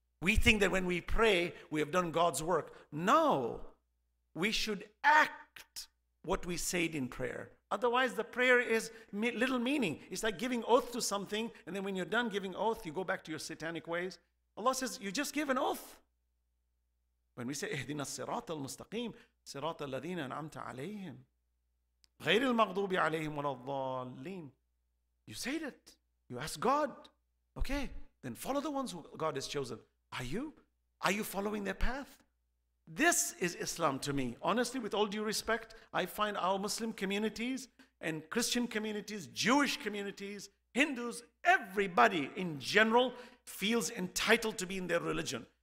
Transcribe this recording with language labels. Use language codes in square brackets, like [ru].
[en] We think that when we pray, we have done God's work. No, we should act what we said in prayer. Otherwise, the prayer is little meaning. It's like giving oath to something, and then when you're done giving oath, you go back to your satanic ways. Allah says, you just give an oath. When we say, [ar] اهدنا الصراط المستقيم, صراط الذين أنعمت عليهم, غير المغضوب عليهم ولا الضالين. [en] You said it. You ask God, okay, then follow the ones who God has chosen. Are you following their path? This is Islam to me. Honestly, with all due respect, I find our Muslim communities and Christian communities, Jewish communities, Hindus, everybody in general feels entitled to be in their religion.